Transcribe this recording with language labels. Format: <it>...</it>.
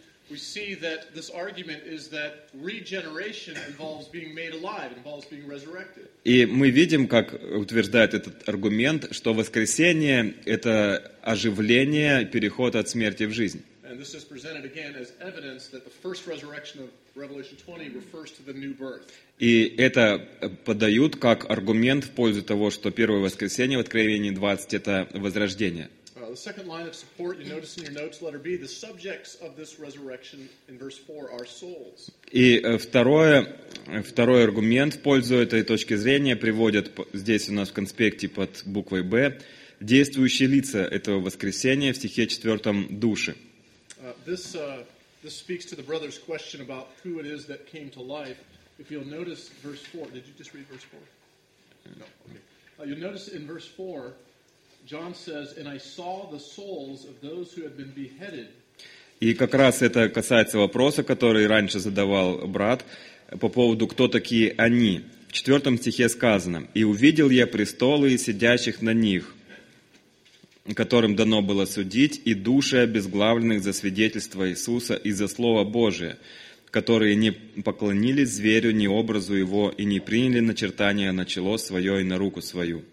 <en>We see that this argument is that regeneration involves being made alive, involves being resurrected.</en> <ru>И мы видим, как утверждает этот аргумент, что воскресение — это оживление, переход от смерти в жизнь.</ru> <en>And this is presented again as evidence that the first resurrection of Revelation 20 refers to the new birth.</en> <ru>И это подают как аргумент в пользу того, что первое воскресение в Откровении 20 — это возрождение.</ru> <en>The second line of support, you notice in your notes, letter B, the subjects of this resurrection in verse 4 are souls.</en> <ru>И второй аргумент в пользу этой точки зрения приводят здесь у нас в конспекте под буквой B, действующие лица этого воскресения в стихе 4 души.</ru> <en>This speaks to the brother's question about who it is that came to life. If you'll notice verse 4, did you just read verse 4? No, okay. You'll notice in verse 4, John says, and I saw the souls of those who had been beheaded.</en> <ru>И как раз это касается вопроса, который раньше задавал брат, по поводу, кто такие они. В 4 стихе сказано, и увидел я престолы и сидящих на них, которым дано было судить, и души обезглавленных за свидетельство Иисуса и за Слово Божие, которые не поклонились зверю, ни образу его, и не приняли начертания на чело свое и на руку свою.</ru>